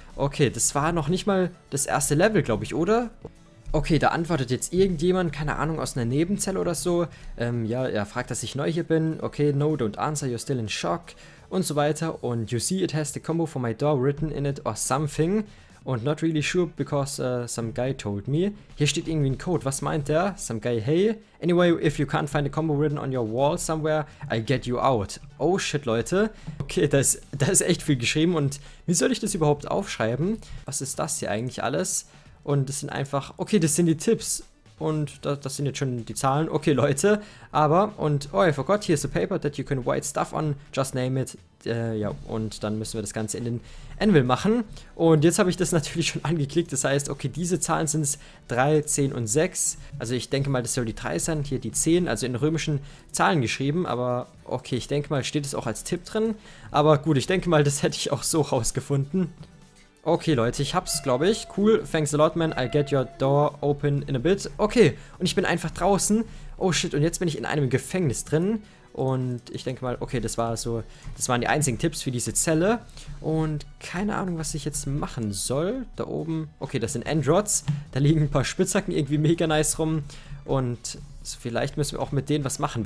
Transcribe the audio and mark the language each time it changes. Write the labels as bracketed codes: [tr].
[de] Okay, das war noch nicht mal das erste Level, glaube ich, oder? Okay, da antwortet jetzt irgendjemand, keine Ahnung, aus einer Nebenzelle oder so. Ja, er fragt, dass ich neu hier bin. [en] Okay, no, don't answer, you're still in shock. [de] Und so weiter. [en] Und you see, it has the combo for my door written in it or something. Und not really sure, because some guy told me. [de] Hier steht irgendwie ein Code. Was meint der? [en] Some guy, hey. Anyway, if you can't find a combo written on your wall somewhere, I'll get you out. [de] Oh shit, Leute. Okay, da ist echt viel geschrieben. Und wie soll ich das überhaupt aufschreiben? Was ist das hier eigentlich alles? Und das sind einfach, okay, das sind die Tipps. Und das sind jetzt schon die Zahlen. Okay, Leute. Aber, und, [en] oh, I forgot, here's a paper that you can write stuff on. Just name it. [de] Ja, und dann müssen wir das Ganze in den Anvil machen. Und jetzt habe ich das natürlich schon angeklickt. Das heißt, okay, diese Zahlen sind es 3, 10 und 6. Also ich denke mal, das soll die 3 sein. Hier die 10, also in römischen Zahlen geschrieben. Aber okay, ich denke mal, steht es auch als Tipp drin. Aber gut, ich denke mal, das hätte ich auch so rausgefunden. Okay, Leute, ich hab's, glaube ich. [en] Cool, thanks a lot, man. I'll get your door open in a bit. [de] Okay, und ich bin einfach draußen. Oh shit, und jetzt bin ich in einem Gefängnis drin. Und ich denke mal, okay, das war so, das waren die einzigen Tipps für diese Zelle. Und keine Ahnung, was ich jetzt machen soll. Da oben, okay, das sind Endrods. Da liegen ein paar Spitzhacken irgendwie mega nice rum. Und so, vielleicht müssen wir auch mit denen was machen.